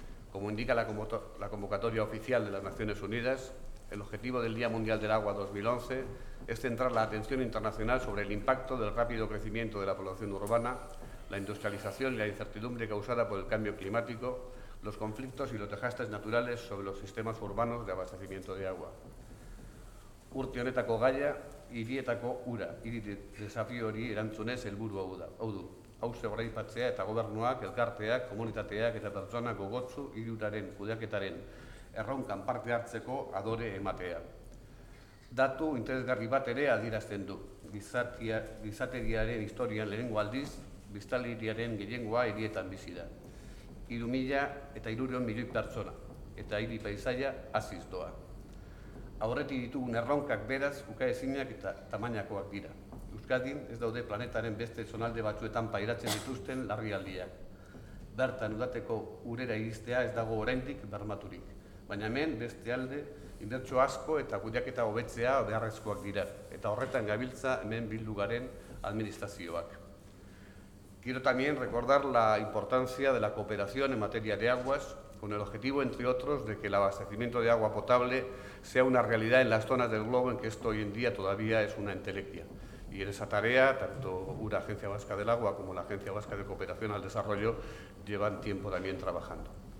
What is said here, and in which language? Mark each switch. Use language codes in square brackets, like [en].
[es] Como indica la convocatoria oficial de las Naciones Unidas, el objetivo del Día Mundial del Agua 2011 es centrar la atención internacional sobre el impacto del rápido crecimiento de la población urbana, la industrialización y la incertidumbre causada por el cambio climático, los conflictos y los desastres naturales sobre los sistemas urbanos de abastecimiento de agua. [eu] Urte honetako gaia, hirietako ura, hiri desafio hori erantzunez helburu hau da. Hau du, hauze goraipatzea eta gobernuak, elkarteak, komunitateak eta pertsona gogotzu hiriuraren kudeaketaren erronkan parte hartzeko adore ematea. Datu interesgarri bat ere adierazten du. Gizateriaren historian lehengo aldiz, biztanleriaren gehiengoa hirietan bizi da. 3.300.000 pertsona eta hiri paisaia haziz doa. Aurretik ditugun erronkak beraz ukaezinak eta tamainakoak dira. Euskadin ez daude planetaren beste zonalde batzuetan pairatzen dituzten larrialdiak. Bertan udateko urera iristea ez dago oraindik bermaturik, baina hemen beste alde inbertsio asko eta kudeaketa hobetzea beharrezkoak dira, eta horretan gabiltza hemen bildu garen administrazioak. [es] Quiero también recordar la importancia de la cooperación en materia de aguas, con el objetivo, entre otros, de que el abastecimiento de agua potable sea una realidad en las zonas del globo en que esto hoy en día todavía es una entelequia. Y en esa tarea, tanto la Agencia Vasca del Agua como la Agencia Vasca de Cooperación al Desarrollo llevan tiempo también trabajando.